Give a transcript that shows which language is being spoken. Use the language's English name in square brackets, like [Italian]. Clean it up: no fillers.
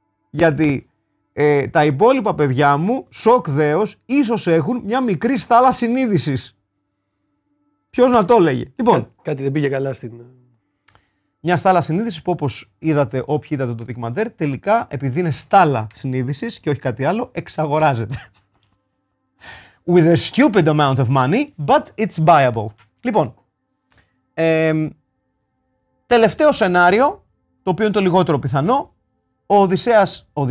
[Greek] Γιατί τα υπόλοιπα παιδιά μου, σοκ δέος, ίσως έχουν μια μικρή στάλα συνείδησης. Ποιος να το έλεγε. Λοιπόν, κάτι δεν πήγε καλά στην... Μια στάλα συνείδησης που, όπως είδατε όποιοι είδατε το ντοκιμαντέρ, τελικά επειδή είναι στάλα συνείδησης και όχι κάτι άλλο, εξαγοράζεται. [English] With a stupid amount of money, but it's buyable. [Greek] Λοιπόν, τελευταίο σενάριο, το οποίο είναι το λιγότερο πιθανό, Ο Οδυσσέας.